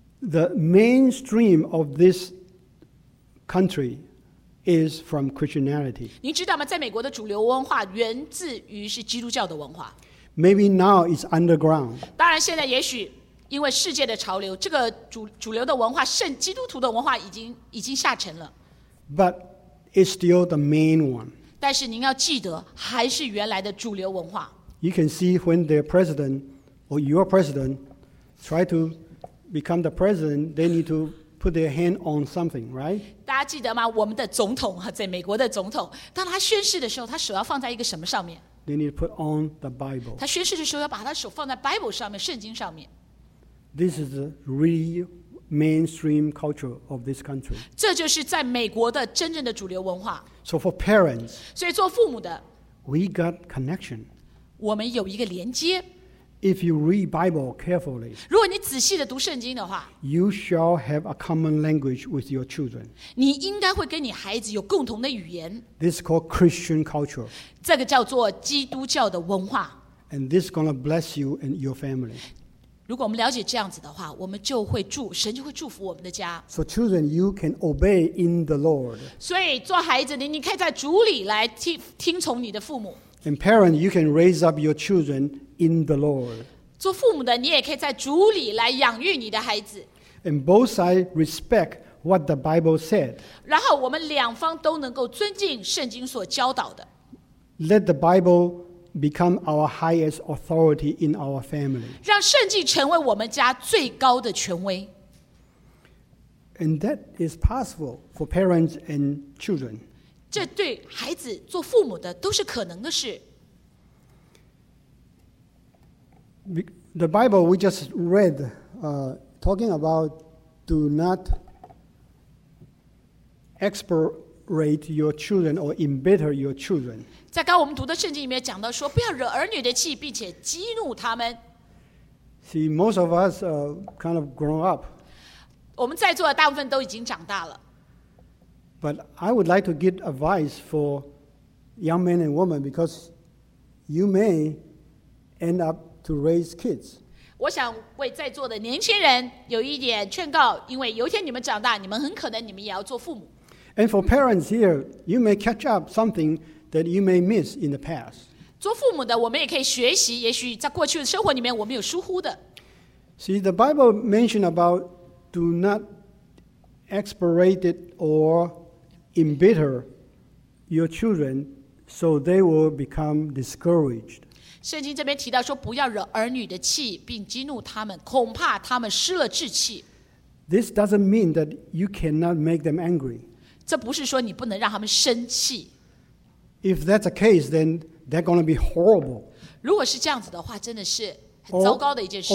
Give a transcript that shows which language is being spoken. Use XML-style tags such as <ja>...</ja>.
<en>The mainstream of this country is from Christianity.</en> <zh>你知道吗？在美国的主流文化源自于是基督教的文化。</zh> <en>Maybe now it's underground.</en> <zh>当然，现在也许因为世界的潮流，这个主流的文化，甚基督徒的文化已经下沉了。</zh> <en>But it's still the main one.</en> <zh>但是您要记得，还是原来的主流文化。</zh> <en>You can see when their president or your president try to become the president, they need to put their hand on something, right?</en> <zh>大家记得吗？我们的总统，在美国的总统，当他宣誓的时候，他手要放在一个什么上面？</zh> <en>They need to put on the Bible.</en> <zh>他宣誓的时候要把他手放在 Bible 上面，圣经上面。</zh> <en>This is the real mainstream culture of this country.</en> <zh>这就是在美国的真正的主流文化。</zh> <en>So for parents,</en> <zh>所以做父母的，</zh> <en>we got connection.</en> <zh>我们有一个连接。</zh> <en>If you read Bible carefully,</en> <zh>如果你仔细地读圣经的话，</zh> <en>you shall have a common language with your children.</en> <zh>你应该会跟你孩子有共同的语言。</zh> <en>This is called Christian culture.</en> <zh>这个叫做基督教的文化。</zh> <en>And this is going to bless you and your family.</en> <zh>如果我们了解这样子的话，我们就会祝，神就会祝福我们的家。</zh> <en>So children, you can obey in the Lord.</en> <zh>所以做孩子的，你可以在主里来 听从你的父母。</zh> <en>And parents, you can raise up your children in the Lord.</en> <zh>做父母的，你也可以在主里来养育你的孩子。</zh> <en>And both sides respect what the Bible said.</en> <zh>然后我们两方都能够尊敬圣经所教导的。</zh> <en>Let the Bible become our highest authority in our family.</en> <zh>让圣经成为我们家最高的权威。</zh> <en>And that is possible for parents and children.</en> <zh>这对孩子做父母的都是可能的事。</zh> <en>The Bible we just read, talking about do not exasperate your children or embitter your children.</en> <zh>在刚我们读的圣经里面讲到说，不要惹儿女的气，并且激怒他们。</zh> <en>See, most of us are kind of grown up.</en> <zh>我们在座的大部分都已经长大了。</zh> <en>But I would like to give advice for young men and women because you may end up. To raise kids.</en> <zh>我想为在座的年轻人有一点劝告，因为有一天你们长大，你们很可能你们也要做父母。</zh> <en>And for parents here, you may catch up something that you may miss in the past.</en> <zh>做父母的，我们也可以学习，也许在过去的生活里面我们有疏忽的。</zh> <en>See, the Bible mentioned about do not exasperate or embitter your children so they will become discouraged.</en> <zh>圣经这边提到说，不要惹儿女的气，并激怒他们，恐怕他们失了志气。</zh> <en>This doesn't mean that you cannot make them angry.</en> <zh>这不是说你不能让他们生气。</zh> <en>If that's the case, then they're going to be horrible.</en> <zh>如果是这样子的话，真的是很糟糕的一件事。</zh>